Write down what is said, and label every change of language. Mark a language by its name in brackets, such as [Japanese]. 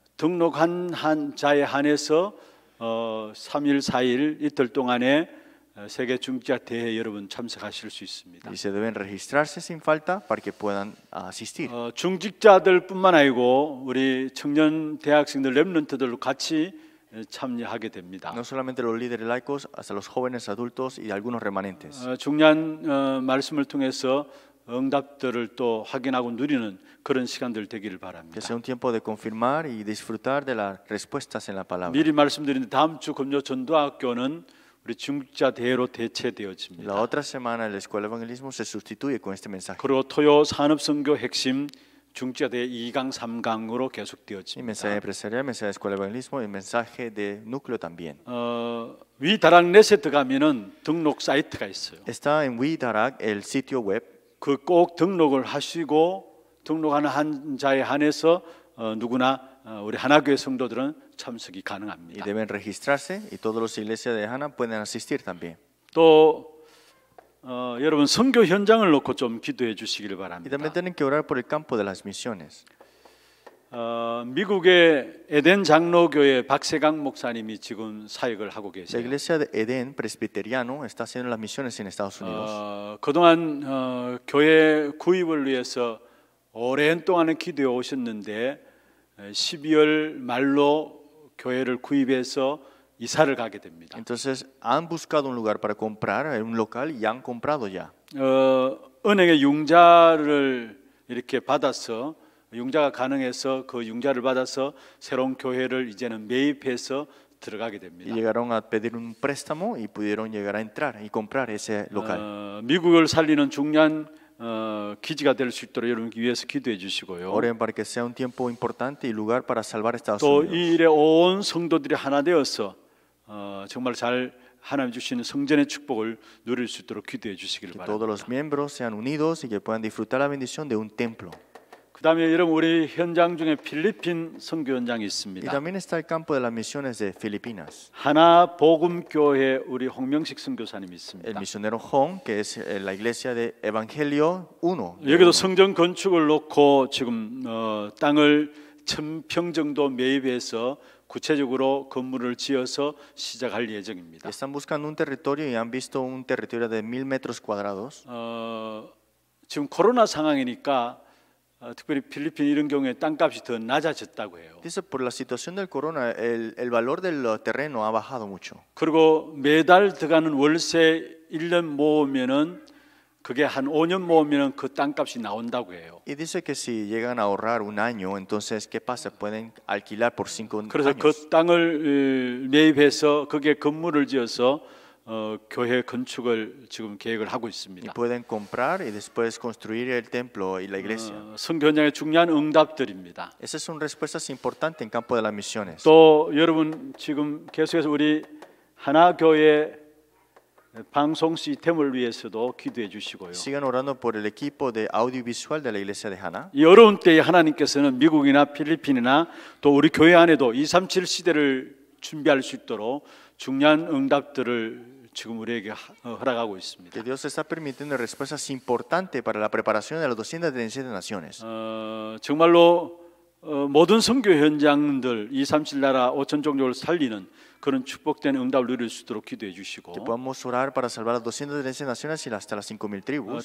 [Korean] 등록한 한 자에 한해서 3일 4일 이틀 동안에 세계 중직자 대회 여러분 참석하실 수 있습니다. [Spanish] Y se deben registrarse sin falta para que puedan asistir. [Korean] 중직자들뿐만 아니고 우리 청년 대학생들 렘넌트들도 같이 참여하게 됩니다. [Spanish] No solamente los líderes laicos, hasta los jóvenes adultos y algunos remanentes. [Korean] 중요한 말씀을 통해서 응답들을 또 확인하고 누리는 그런 시간들 되기를 바랍니다. [Spanish] Es un tiempo de confirmar y disfrutar de las respuestas en la palabra. [Korean] 미리 말씀드리는데 다음 주 금요 전도학교는 우리 중직자 대회로 대체되어집니다. [Spanish] La otra semana la escuela de evangelismo se sustituye con este mensaje. [Korean] 그리고 토요 산업 선교 핵심 중직자 대회 2강 3강으로 계속되어집니다. [Spanish] Y mensaje empresarial, mensaje de escuela de evangelismo y mensaje de núcleo también. [Korean] 위 다락 네세트 가면은 등록 사이트가 있어요. [Spanish] Está en Wi Darak el sitio web. [Korean] 그 꼭 등록을 하시고 등록하는 한 자에 한해서 누구나 우리 하나교회 성도들은 참석이 가능합니다. [Spanish] Y deben registrarse y todos los iglesias de Hana pueden asistir también. [Korean] 또 여러분 선교 현장을 놓고 좀 기도해 주시길 바랍니다. [Spanish] Y también tienen que orar por el campo de las misiones. [Korean] 미국의 에덴 장로교회 박세강 목사님이 지금 사역을 하고 계세요. [Spanish] La iglesia de Eden Presbiteriano está haciendo las misiones en Estados Unidos. [Korean] 그동안 교회 구입을 위해서 오랜 동안에 기도해 오셨는데 12월 말로 교회를 구입해서 이사를 가게 됩니다. [Spanish] Entonces han buscado un lugar para comprar un local y han comprado ya. [Korean] 은행의 융자를 이렇게 받아서 융자가 가능해서 그 융자를 받아서 새로운 교회를 이제는 매입해서 들어가게 됩니다. [Spanish] Llegaron a pedir un préstamo y pudieron llegar a entrar y comprar ese local. [Korean] 미국을 살리는 중요한 기지가 될 수 있도록 여러분 위해서 기도해 주시고요. [Spanish] Oren para que sea un tiempo importante y lugar para salvar Estados Unidos. [Korean] 또 이 일에 온 성도들이 하나 되어서 정말 잘 하나님 주시는 성전의 축복을 누릴 수 있도록 기도해 주시기를 바랍니다. [Spanish] Todos los miembros sean unidos y que puedan disfrutar la bendición de un templo. [Korean] 그다음에 여러분 우리 현장 중에 필리핀 선교 현장이 있습니다. [Spanish] Y también está el campo de las misiones de Filipinas. [Korean] 하나 복음 교회 우리 홍명식 선교사님 있습니다. [Spanish] El misionero Hong que es la iglesia de Evangelio Uno. [Korean] 여기도 성전 건축을 놓고 지금 땅을 1000평 정도 매입해서 구체적으로 건물을 지어서 시작할 예정입니다. [Spanish] Están buscando un territorio y han visto un territorio de 1000 metros cuadrados. [Korean] 지금 코로나 상황이니까 특별히 필리핀 이런 경우에 땅값이 더 낮아졌다고 해요. [Spanish] Dice por la situación del corona el valor del terreno ha bajado mucho. [Korean] 그리고 매달 들어가는 월세 1년 모으면은 그게 한 5년 모으면은 그 땅값이 나온다고 해요. [Spanish] Y dice que si llegan a ahorrar un año, entonces qué pasa? Pueden alquilar por 5 años. [Korean] 그래서 그 땅을 매입해서 거기에 건물을 지어서 교회 건축을 지금 계획을 하고 있습니다. [Spanish] Y pueden comprar y después construir el templo y la iglesia. [Korean] 선교장의 중요한 응답들입니다. [Spanish] Esas son respuestas importantes en campo de las misiones. [Korean] 또 여러분 지금 계속해서 우리 하나 교회 방송 시스템을 위해서도 기도해 주시고요. [Spanish] Sigan orando por el equipo de audiovisual de la iglesia de Hana. [Korean] 이 어려운 때에 하나님께서는 미국이나 필리핀이나 또 우리 교회 안에도 237 시대를 준비할 수 있도록 중요한 응답들을 지금 우리에게 허락하고 있습니다. [Spanish] Que Dios está permitiendo respuestas importantes para la preparación de las 237 naciones. [Korean] 정말로 모든 선교 현장들 237 나라 5천 종족을 살리는 그런 축복된 응답을 누릴 수 있도록 기도해 주시고. [Spanish] Que podamos orar para salvar las 237 naciones y hasta las 5000 tribus.